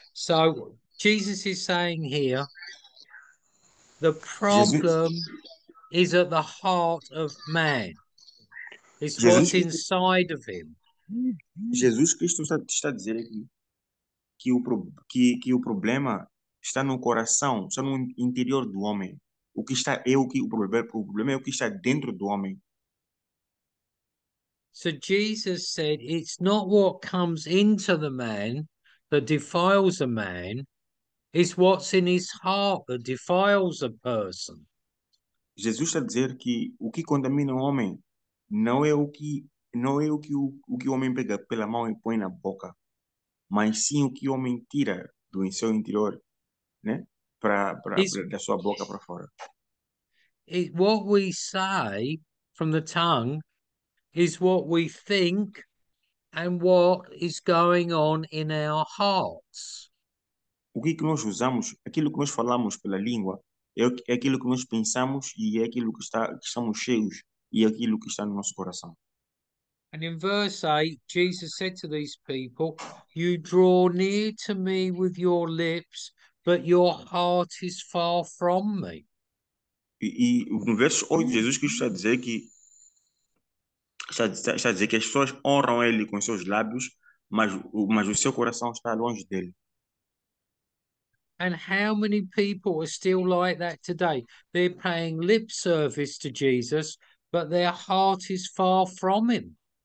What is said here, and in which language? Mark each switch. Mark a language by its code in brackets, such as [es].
[en] So, Jesus is saying here, the problem is at the heart of man. It's what's inside of him. [pt] Jesus Cristo está dizendo aqui que o problema está no coração, está no interior do homem. O problema é o que está dentro do homem. [en] So Jesus said, it's not what comes into the man that defiles a man, it's what's in his heart that defiles a person. [pt] Jesus está a dizer que o que contamina o homem não é o que o homem pega pela mão e põe na boca, mas sim o que o homem tira do seu interior, né? Da sua boca para fora. [en] It's what we say from the tongue is what we think and what is going on in our hearts. [pt] O que nós usamos, aquilo que nós falamos pela língua, é aquilo que nós pensamos e é aquilo que estamos cheios e é aquilo que está no nosso coração. [en] And in verse 8, Jesus said to these people, you draw near to me with your lips, but your heart is far from me. [pt] E no verso 8, Jesus Cristo está a dizer que as pessoas honram ele com seus lábios, mas o seu coração está longe dele. [en] And how many people are still like that today? They're paying lip service to Jesus, but their heart is far from him.